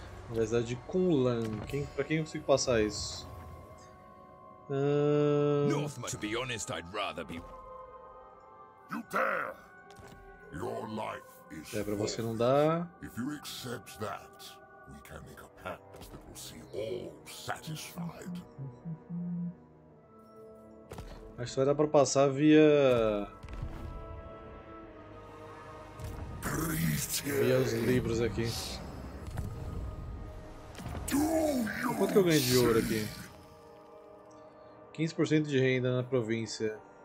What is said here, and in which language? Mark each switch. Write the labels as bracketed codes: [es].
[pt] Universidade de Kunlan. Quem, para quem eu consigo passar isso? [en] Northman, to be honest, I'd rather be. You dare! Your life is. [pt] É pra você não dar. [en] If you accept that, we can make a pact that will see all satisfied. [pt] Acho que vai dar pra passar via... via os livros aqui. Quanto que eu ganhei de ouro aqui? 15% de renda na província.